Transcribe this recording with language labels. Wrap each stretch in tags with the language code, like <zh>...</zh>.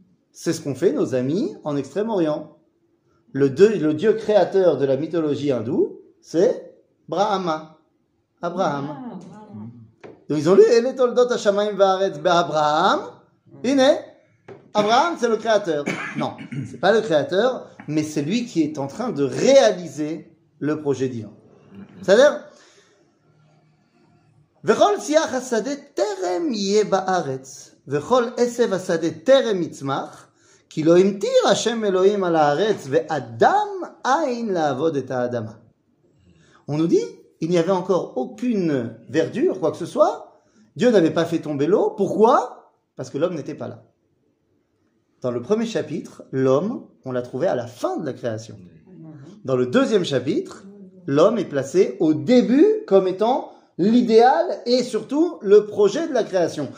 <fr>C'est ce qu'ont fait nos amis en Extrême-Orient. Le dieu créateur de la mythologie hindoue, c'est Brahma. Abraham. Donc, ils ont lu,</fr> <he>Ele toldot Hashamayim Ve'aretz Be'Abraham. Iné.</he> <fr>Abraham, c'est le créateur. Non, c'est pas le créateur, mais c'est lui qui est en train de réaliser le projet divin. C'est-à-dire,</fr> <he>וכל צייח השדה טרם יהיה בארץ, וכל עשב השדה טרם יצמח, כי לא המטיר השם אלוהים על הארץ, ואדם אין לעבוד את האדמה.</he> <fr>On nous dit, il n'y avait encore aucune verdure, quoi que ce soit, Dieu n'avait pas fait tomber l'eau, pourquoi ? Parce que l'homme n'était pas là. Dans le premier chapitre, l'homme, on l'a trouvé à la fin de la création. Dans le deuxième chapitre, l'homme est placé au début comme étant l'idéal et surtout le projet de la création.</fr>